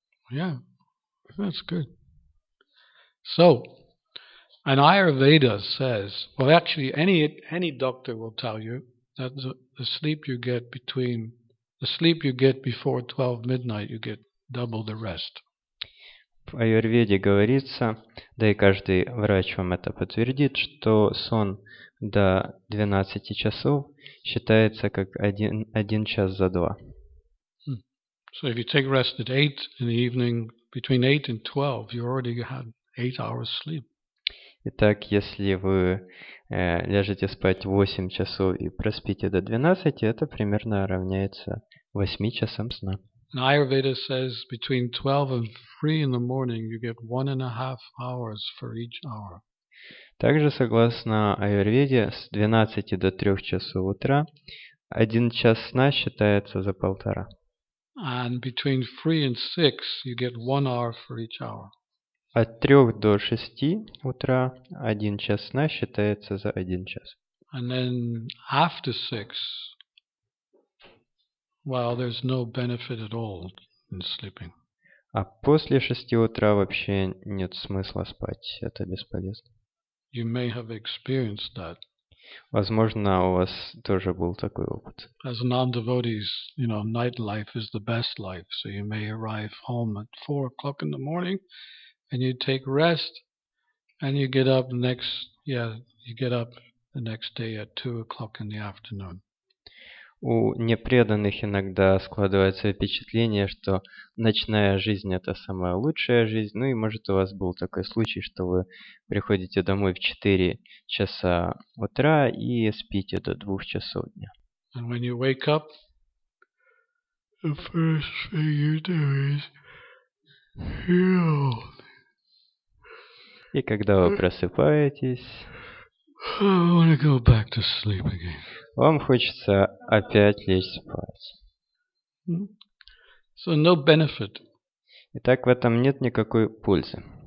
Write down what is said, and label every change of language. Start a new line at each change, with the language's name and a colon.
English: Yeah, that's good. So, an Ayurveda says, well, actually, any doctor will tell you that the sleep you get between the sleep you get before 12 midnight, you get double the rest.
Russian: В Аюрведе говорится, да и каждый врач вам это подтвердит, что сон до 12 часов считается как один час за два.
English: So if you take rest at 8 in the evening, between 8 and 12, you already had 8 hours sleep.
Russian: Итак, если вы ляжете спать 8 часов и проспите до 12, это примерно равняется 8 часам сна.
English: And Ayurveda says between 12 and 3 in the morning you get 1.5 hours for each hour.
Russian: Также согласно Аюрведе, с 12 до 3 часов утра 1 час сна считается за полтора.
English: And between 3 and 6 you get 1 hour for each hour.
Russian: От 3 до 6 утра 1 час сна считается за 1 час.
English: And then after 6, well, there's no benefit at all in sleeping.
Russian: А после 6 утра вообще нет смысла спать, это бесполезно.
English: You may have experienced that.
Russian: Возможно, у вас тоже был такой опыт.
English: As non-devotees, you know, night life is the best life, so you may arrive home at 4 o'clock in the morning, and you take rest, and you get up the next day at 2 o'clock in the afternoon.
Russian: У непреданных иногда складывается впечатление, что ночная жизнь – это самая лучшая жизнь. Ну и может у вас был такой случай, что вы приходите домой в 4 часа утра и спите до 2 часов дня.
English: And when you wake up, the first thing you do is heal.
Russian: И когда вы просыпаетесь,
English: I want to go back to sleep again.
Russian: Вам хочется опять лечь спать.
English: So no benefit.
Russian: Итак, в этом нет никакой пользы.